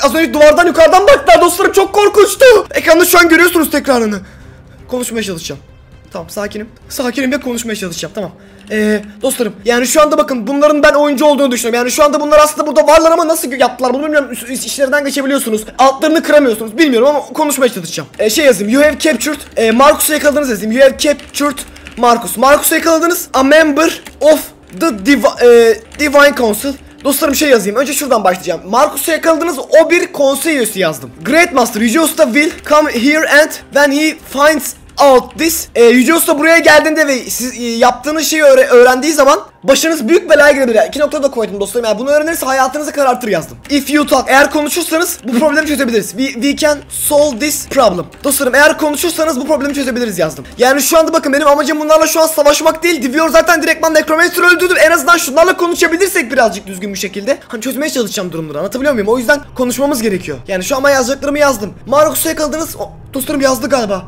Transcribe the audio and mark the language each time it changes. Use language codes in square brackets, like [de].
[tr] Az önce duvardan yukarıdan baktılar dostlarım, çok korkunçtu. Ekranda şu an görüyorsunuz tekrarını. Konuşmaya çalışacağım. Tamam sakinim. Sakinim ve konuşmaya çalışacağım, tamam. Dostlarım yani şu anda bakın bunların ben oyuncu olduğunu düşünüyorum. Yani şu anda bunlar aslında burada varlar ama nasıl yaptılar bunu bilmiyorum. İşlerinden geçebiliyorsunuz. Altlarını kıramıyorsunuz bilmiyorum ama konuşmaya çalışacağım. Şey yazayım. [en] You have captured. [tr] Marcus'u yakaladınız yazayım. [en] You have captured Marcus. [tr] Marcus'u yakaladınız. [en] A member of the divine council. [tr] Dostlarım şey yazayım. Önce şuradan başlayacağım. Marcus'u yakaladınız. O bir konsey üyesi yazdım. [en] Great Master. Yüce Usta will come here and when he finds out this. [tr] Yüce Usta buraya geldiğinde ve siz yaptığınız şeyi öğrendiği zaman başınız büyük belaya girebilir. İki nokta da koydum dostlarım. Yani bunu öğrenirse hayatınızı karartır yazdım. [en] If you talk. [tr] Eğer konuşursanız bu problemi çözebiliriz. [en] We can solve this problem. [tr] Dostlarım eğer konuşursanız bu problemi çözebiliriz yazdım. Yani şu anda bakın benim amacım bunlarla şu an savaşmak değil. Divior zaten direktman Necromancer öldürdüm. En azından şunlarla konuşabilirsek birazcık düzgün bir şekilde. Hani çözmeye çalışacağım durumları, anlatabiliyor muyum? O yüzden konuşmamız gerekiyor. Yani şu an yazacaklarımı yazdım. Marcus'u yakaladınız. Dostlarım yazdı galiba.